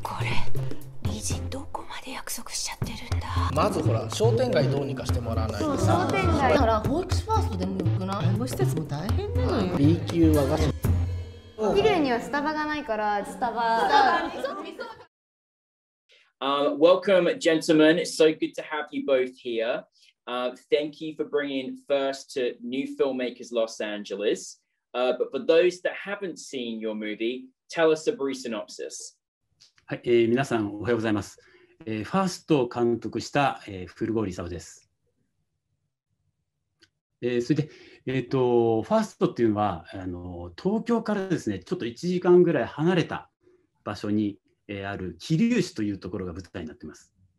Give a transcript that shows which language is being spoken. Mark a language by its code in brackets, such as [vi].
[ja] これ理事どこまで約束しちゃってるんだ。まずほら商店街どうにかしてもらわないと。そう商店街だからフォークスファーストでもよくない。看護施設も大変なのよ。 B 級和菓子。桐生にはスタバがないから。スタバ、スタバに。そう。 [en] Welcome, gentlemen. It's so good to have you both here. Thank you for bringing First to New Filmmakers Los Angeles. But for those that haven't seen your movie, tell us a brief synopsis. [ja] はい、皆さんおはようございます。First を監督した、古郷理沙です。それで、First っていうのは東京からですね、ちょっと1時間ぐらい離れた場所にある桐生市というところが舞台になってます。